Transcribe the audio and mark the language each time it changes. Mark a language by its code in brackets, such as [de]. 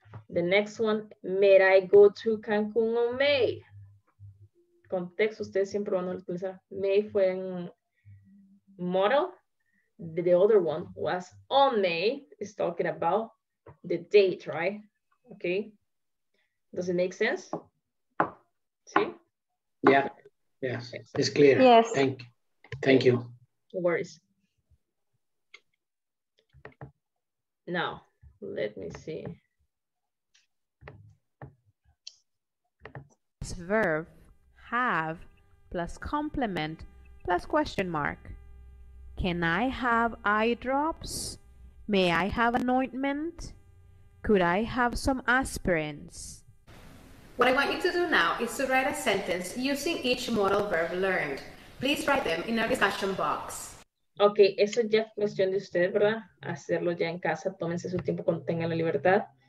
[en] The next one, may I go to Cancun on May? [es] Contexto, ustedes siempre van a utilizar. May fue en model. [en] the other one was on May is talking about the date, right? Okay. Does it make sense? See? Yeah. Yes. It's clear. Yes. Thank you. No worries. Now, let me see. This verb have plus complement plus question mark. Can I have eye drops? May I have an ointment? Could I have some aspirins? What I want you to do now is to write a sentence using each modal verb learned. Please write them in our discussion box. [es] Okay, eso ya es cuestión de usted, ¿verdad? Hacerlo ya en casa, tómense su tiempo, contenga la libertad.